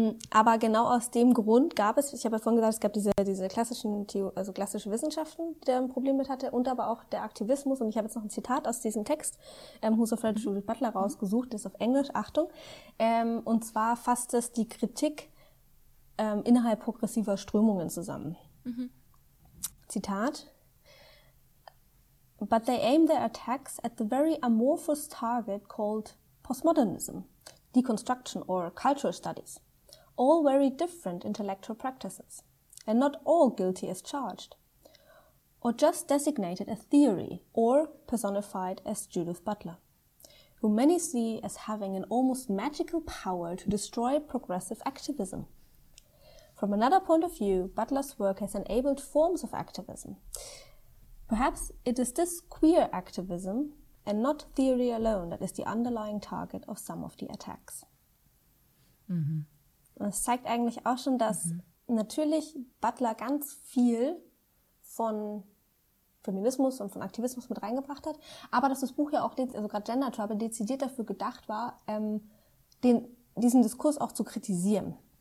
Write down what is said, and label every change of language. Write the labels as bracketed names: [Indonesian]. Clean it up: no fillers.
[German] Aber genau aus dem Grund gab es, ich habe ja vorhin gesagt, es gab diese klassischen klassische Wissenschaften, die da ein Problem mit hatte, und aber auch der Aktivismus. Und ich habe jetzt noch ein Zitat aus diesem Text, Who's Afraid of Judith Butler, rausgesucht, das ist auf Englisch, Achtung. Und zwar fasst es die Kritik innerhalb progressiver Strömungen zusammen. Zitat: [English] But they aim their attacks at the very amorphous target called postmodernism. Deconstruction or cultural studies, all very different intellectual practices, and not all guilty as charged, or just designated as theory or personified as Judith Butler, who many see as having an almost magical power to destroy progressive activism. From another point of view, Butler's work has enabled forms of activism. Perhaps it is this queer activism and not theory alone, that is the underlying target of some of the attacks. [German] Und es zeigt eigentlich auch schon, dass natürlich Butler ganz viel von Feminismus und von Aktivismus mit reingebracht hat, aber dass das Buch ja auch, also gerade Gender Trouble, dezidiert dafür gedacht war, diesen Diskurs auch zu kritisieren.